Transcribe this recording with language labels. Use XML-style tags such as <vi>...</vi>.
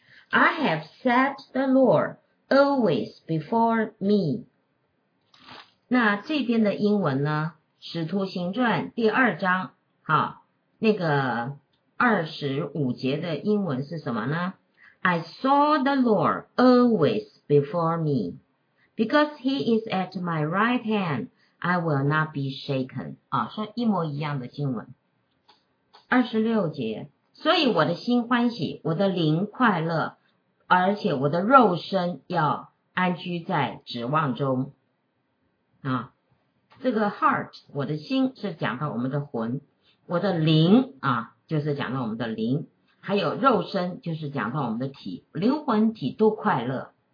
<en>I have set the Lord always before me。</en> <zh>那这边的英文呢，使徒行传第二章啊，那个25节的英文是什么呢？</zh> <en>I saw the Lord always before me. Because he is at my right hand, I will not be shaken.</en> <zh>啊，说一模一样的经文。 26节，所以我的心欢喜，我的灵快乐，而且我的肉身要安居在指望中。啊，这个 heart, 我的心是讲到我们的魂，我的灵啊，就是讲到我们的灵，还有肉身，就是讲到我们的体，灵魂体都快乐。</zh>